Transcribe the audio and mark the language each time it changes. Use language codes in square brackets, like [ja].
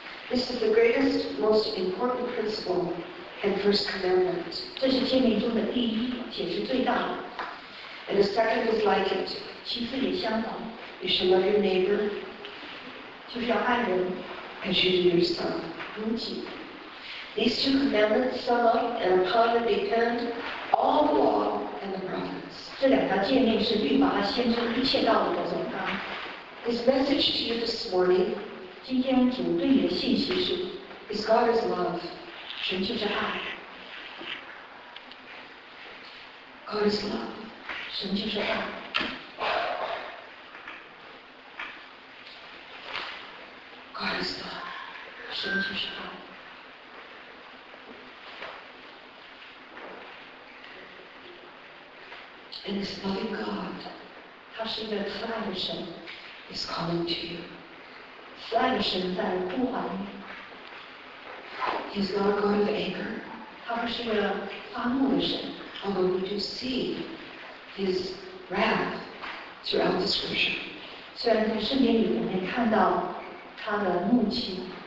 [en] This is the greatest, most important principle and first commandment. [zh] 这是诫命中的第一，且是最大。 [en] And the second is like it. [zh] 其次也相同。 [en] You shall love your neighbor. [zh] 就是要爱人。 [en] And you do yourself. [zh] 如己。 [en] These two commandments sum up and upon them depend all the law and the prophets. [zh] 这两条诫命是律法和先知一切道路的总纲。 [en] His message to you this morning, [zh] 今天主对你的信息是, [en] is God is love. [zh] 神就是爱。 [en] God is love. [zh] 神就是爱。 [en] God is love. [zh] 神就是爱。 [en] And this loving God, [zh] 他是一个慈爱的神, [en] is calling to you. [zh] 慈爱的神在呼唤你。 [en] He's not a God of anger. [zh] 他不是一个发怒的神。 [en] Although we do see his wrath throughout the scripture. [zh] 虽然在圣经里我们看到他的怒气,